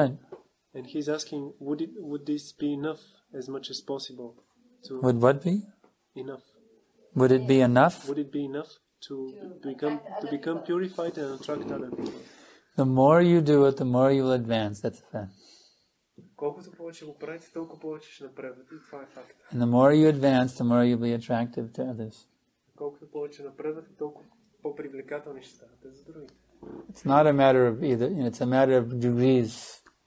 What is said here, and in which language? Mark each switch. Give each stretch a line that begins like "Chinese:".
English: Right. And he's asking, would this be enough as much as possible? Would what be? Enough. Would it be enough? Would it be enough to become purified and attract other people? The more you do it, the more you will advance. That's a fact.
Bulgarian: Колкото повече го правите, толкова повече ще напредвате. И това е факт.
English: And the more you advance, the more you'll be attractive to others.
Bulgarian: Колкото повече напредвате, толкова по-привлекателни ще ставате за другите.
English: It's not a matter of either, you know, it's a matter of degrees.